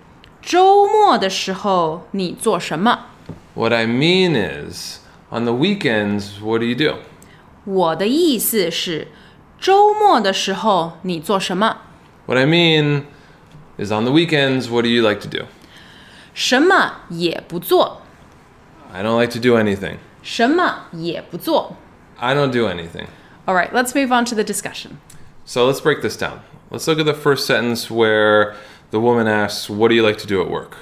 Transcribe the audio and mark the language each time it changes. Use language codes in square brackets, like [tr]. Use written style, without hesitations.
[zh] 我的意思是，周末的时候你做什么？ [en] What I mean is, on the weekends, what do you do? [zh] 我的意思是，周末的时候你做什么？ [en] What I mean is, on the weekends, what do you like to do? [zh] 什么也不做。 [en] I don't like to do anything. [zh] 什么也不做。 [en] I don't do anything. All right, let's move on to the discussion. So let's break this down. Let's look at the first sentence where the woman asks, what do you like to do at work?